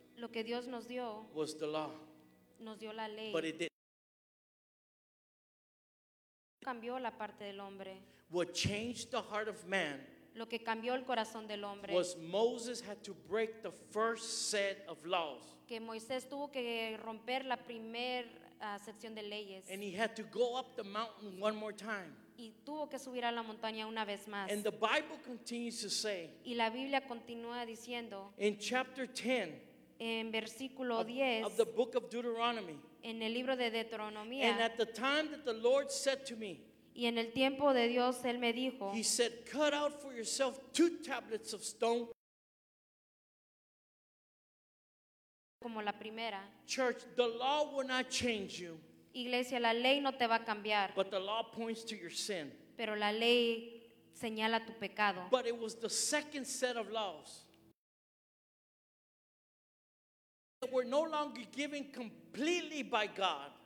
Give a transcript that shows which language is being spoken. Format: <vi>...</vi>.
<es>lo que Dios nos dio,</es> <en>was the law.</en> <es>Nos dio la ley.</es> <en>But it didn't</en> <es>cambió la parte del hombre.</es> <en>What changed the heart of man,</en> <es>lo que cambió el corazón del hombre,</es> <en>was Moses had to break the first set of laws.</en> <es>Que Moisés tuvo que romper la primer sección de leyes.</es> <en>And he had to go up the mountain one more time.</en> <es>Y tuvo que subir a la montaña una vez más.</es> <en>And the Bible continues to say,</en> <es>y la Biblia continúa diciendo,</es> <en>in chapter 10,</en> <es>en versículo 10,</es> <en>of the book of Deuteronomy,</en> <es>en el libro de Deuteronomía,</es> <en>and at the time that the Lord said to me,</en> <es>y en el tiempo de Dios, él me dijo,</es> <en>he said, cut out for yourself two tablets of stone.</en> <es>Como la primera.</es> <en>Church, the law will not change you.</en> <es>Iglesia, la ley no te va a cambiar.</es> <en>But the law points to your sin.</en> <es>Pero la ley señala tu pecado.</es> <en>But it was the second set of laws that were no longer given completely by God.</en>